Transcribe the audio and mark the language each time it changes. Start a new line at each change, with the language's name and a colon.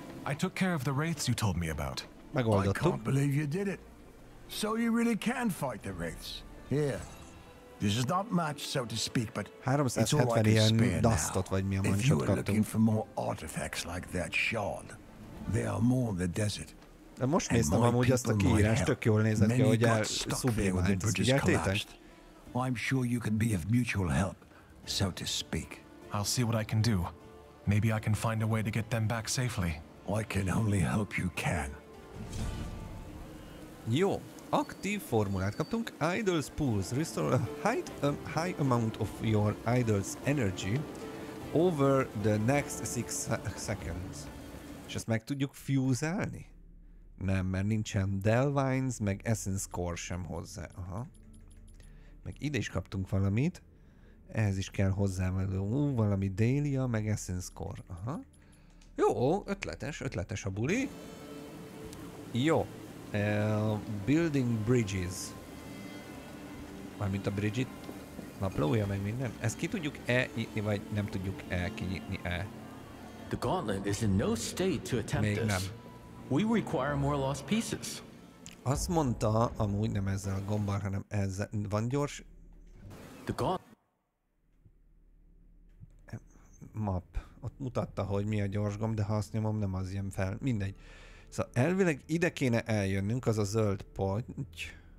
English: I took care of the wraiths you told me about.
Hungarian: Megoldottuk.
English: I can't believe you did it. So you really can fight the wraiths. Here. This is not much, so to speak, but it's all like a spare now. If you are looking for more artifacts like that shard, there are more in the desert.
Hungarian: De most néztem amúgy azt a kiírás, tök jól nézett ki, hogy el szublimált, ezt figyeltétek?
English: I'm sure you can be of mutual help, so to speak. I'll see what I can do. Maybe I can find a way to get them back safely. I can only hope you can.
Hungarian: Jó, aktív formulát kaptunk.
English: Idol's pools restore a high amount of your idol's energy over the next 6 seconds.
Hungarian: És ezt meg tudjuk fúzálni? Nem, mert nincsen Delvines, meg Essence Core sem hozzá. Aha. Meg ide is kaptunk valamit. Ehhez is kell hozzá valami Dahlia, meg Essence Core. Aha. Jó, ötletes a buli. Jó.
English: Building Bridges.
Hungarian: Mármint a Bridget naplója, meg minden. Ezt ki tudjuk-e nyitni, vagy nem tudjuk-e kinyitni-e?
English: The gauntlet is in no state to attempt
Hungarian: még
English: this.
Hungarian: Nem.
English: We require more lost pieces.
Hungarian: Azt mondta, amúgy nem ezzel a gombbal, hanem ezzel. Van gyors?
English: The gauntlet. Map.
Hungarian: Ott mutatta, hogy mi a gyors gomb, de ha azt nyomom, nem az jön fel. Mindegy. Szóval elvileg ide kéne eljönnünk, az a zöld potty.